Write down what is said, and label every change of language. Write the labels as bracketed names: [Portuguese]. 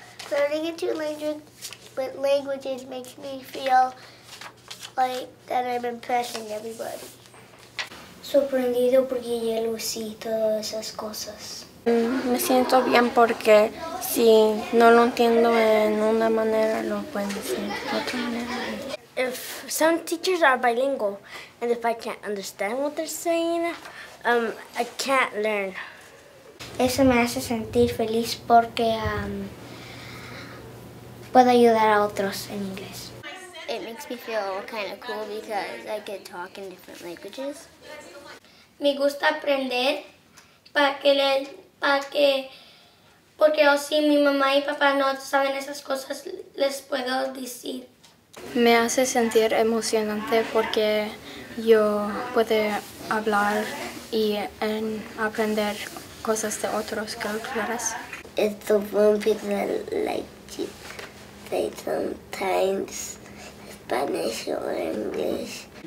[English] Learning two languages makes me feel like that I'm impressing everybody. [Spanish] Sorprendido porque ya lo sé todas esas cosas. Me siento bien porque si no lo entiendo en una manera, lo pueden decir de otra manera. [English] If some teachers are bilingual, and if I can't understand what they're saying, I can't learn. [Spanish] Eso me hace sentir feliz porque puedo ayudar a otros en inglés. [English] It makes me feel kind of cool because I get to talk in different languages. [Spanish] Me gusta aprender porque si mi mamá y papá no saben esas cosas, les puedo decir. Me hace sentir emocionante porque yo puedo hablar y aprender cosas de otras culturas. [English] It's the one people like to say sometimes Spanish or English.